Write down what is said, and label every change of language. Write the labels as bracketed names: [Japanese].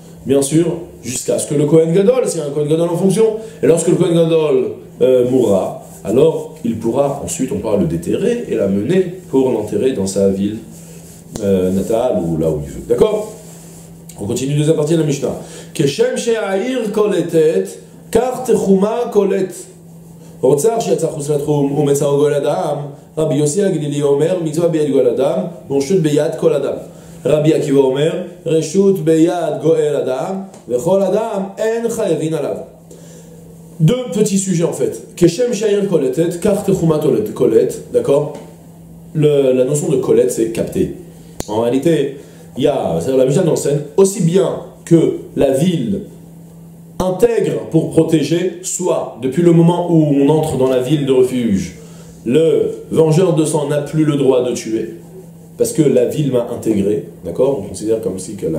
[French] Bien sûr, jusqu'à ce que le Kohen Gadol, s'il y a un Kohen Gadol en fonction, et lorsque le Kohen Gadol mourra, alors il pourra ensuite, on pourra le déterrer et l'amener pour l'enterrer dans sa ville natale ou là où il veut. D'accord? On continue la deuxième partie de la Mishnah. [Hebrew] Keshem she'a'ir koletet, kar techuma kolet. רוצח שיצא חוץ לתחום ומצאו גול אדם, רבי יוסי הגלילי אומר, מצווה ביד גול אדם, רשות ביד כל אדם. רבי עקיבא אומר, רשות ביד גואל אדם, וכל אדם אין חייבין עליו. [French] Deux petits sujets en fait. [Hebrew] כשם שהעיר קולטת, כך תחומה קולט, d'accord? [French] La notion de קולט c'est capter. En réalité, il y a, c'est-à-dire la mise en scène, aussi bien que la ville intègre pour protéger, soit depuis le moment où on entre dans la ville de refuge, le vengeur de sang n'a plus le droit de tuer, parce que la ville m'a intégré, d'accord, on considère comme si